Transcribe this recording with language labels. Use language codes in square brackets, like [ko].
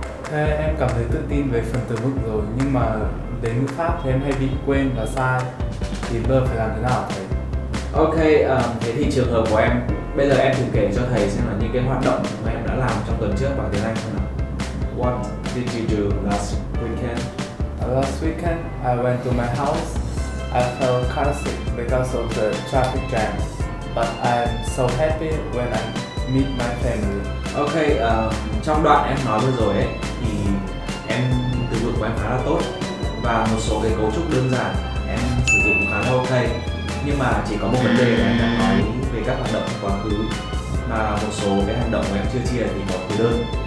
[vi] Thế em cảm thấy tự tin về phần từ vựng rồi, nhưng mà đến ngữ pháp thì em hay bị quên và sai. Thì bây giờ phải làm thế nào thầy? Ok, thế thì trường hợp của em, bây giờ em thử kể cho thầy xem là những cái hoạt động mà em đã làm trong tuần trước bằng tiếng Anh xem nào. [en] What did you do last weekend? Last weekend, I went to my house. I felt kind of sick because of the traffic jam, but I'm so happy when I meet my family. [vi] Ok, trong đoạn em nói vừa rồi ấy, thì em từ vựng của em khá là tốt và một số cái cấu trúc đơn giản em sử dụng khá là ok. Nhưng mà chỉ có một vấn đề là em đang nói về các hoạt động quá khứ mà một số cái hành động của em chưa chia thì có từ đơn.